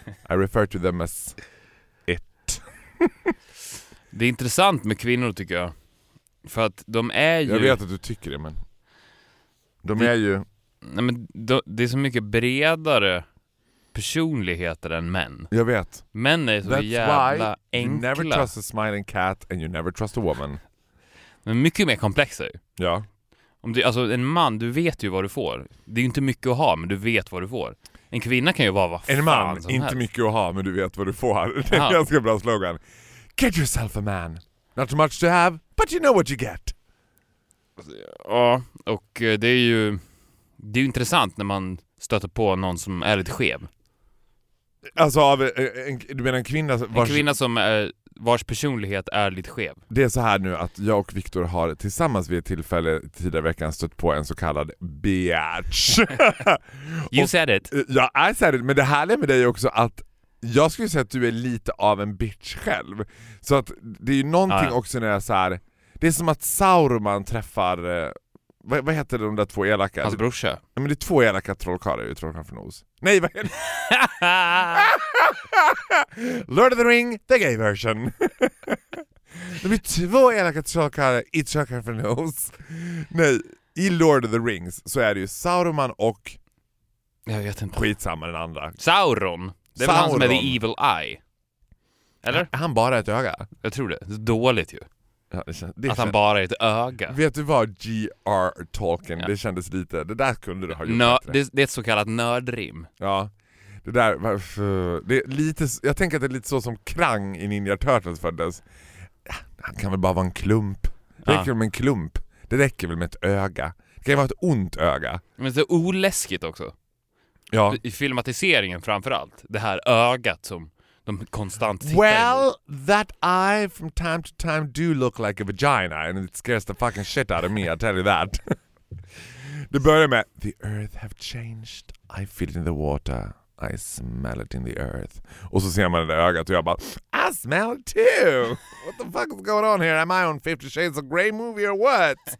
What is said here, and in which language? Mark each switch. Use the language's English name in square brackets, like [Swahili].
[English] I refer to them as it. [Swedish] Det är intressant med kvinnor tycker jag. För att de är ju... Jag vet att du tycker det, men... De är ju... Nej, men det är så mycket bredare personligheter än män. Jag vet. Män är så [English] that's [Swedish] jävla [English] why [Swedish] enkla. [English] You never trust a smiling cat and you never trust a woman. [Swedish] Men mycket mer komplexa ju. Ja. Om du, alltså en man, du vet ju vad du får. Det är ju inte mycket att ha, men du vet vad du får. En kvinna kan ju vara vad en man, fan som inte helst. Mycket att ha, men du vet vad du får. Det är en ganska bra slogan. [English] Get yourself a man. Not too much to have, but you know what you get. [Swedish] Ja, och det är ju intressant när man stöter på någon som är lite skev. Alltså av du menar en kvinna vars... En kvinna som är, vars personlighet är lite skev. Det är så här nu att jag och Viktor har tillsammans vid ett tillfälle tidigare veckan stött på en så kallad bitch. [English] You said it. [Swedish] Ja, [English] I said it, [Swedish] men det härliga med dig är också att jag skulle säga att du är lite av en bitch själv. Så att det är ju någonting också när jag så här. Det är som att Sauron träffar... Vad heter de där två elaka? Hans brorsa. Nej, men det är två elaka trollkarlar i Trollkarlen från Oz. Nej, vad heter det? [English] Lord of the Ring, the gay version. [Swedish] Det är två elaka trollkarlar i Trollkarlen från Oz. Nej, i Lord of the Rings så är det ju Sauron och... Jag vet inte. Skitsamma den andra. Sauron. Det är väl han som är [English] the evil eye. [Swedish] Eller? Är han bara ett öga? Jag tror det. Det är dåligt ju. Ja, det att han bara är ett öga. Vet du vad G.R. Tolkien, ja. Det kändes lite, det där kunde du ha gjort. Det är ett så kallat nördrim. Ja, det där det är lite, jag tänker att det är lite så som Krang i Ninja Turtles föddes. Han kan väl bara vara en klump. Det räcker med en klump. Det räcker väl med ett öga. Det kan vara ett ont öga. Men det är oläskigt också. Ja. I filmatiseringen framförallt. Det här ögat som de konstant tittar. [English] Well, that eye from time to time do look like a vagina and it scares the fucking shit out of me, I tell you that. [Swedish] Det börjar med [English] the earth have changed. I feel it in the water. I smell it in the earth. [Swedish] Och så ser man det ögat och jag bara [English] I smell it too. What the fuck is going on here? Am I on 50 Shades of Grey movie or what?